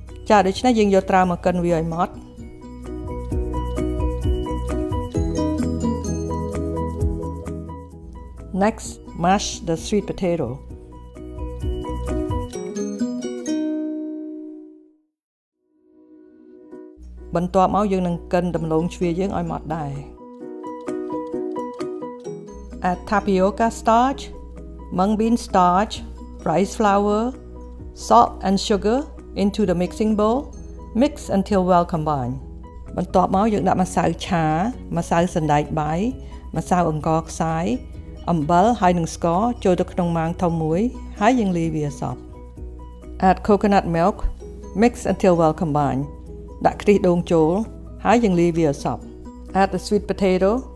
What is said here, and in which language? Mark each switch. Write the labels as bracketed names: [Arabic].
[Khmer] ចា ដូច្នេះ យើង យក ត្រាវ មក កិន វា ឲ្យ ម៉ត់ [English] Next, mash the sweet potato. [Khmer] បន្ទាប់ មក យើង នឹង កិន ដំឡូង ជ្វា យើង ឲ្យ ម៉ត់ ដែរ [English] Add tapioca starch. Mung bean starch, rice flour, salt and sugar into the mixing bowl. Mix until well combined. [Khmer] បន្ទាប់មកយើងដាក់ម្សៅឆាម្សៅសណ្ដែកបាយម្សៅអង្ករខ្សាយអំបិលហើយនិងស្ករចូលទៅក្នុងម៉ាងធំមួយហើយយើងលាយវាសព [English] Add coconut milk. Mix until well combined. [Khmer] ដាក់ខ្ទិះដូងចូលហើយយើងលាយវាសព [English] Add the sweet potato.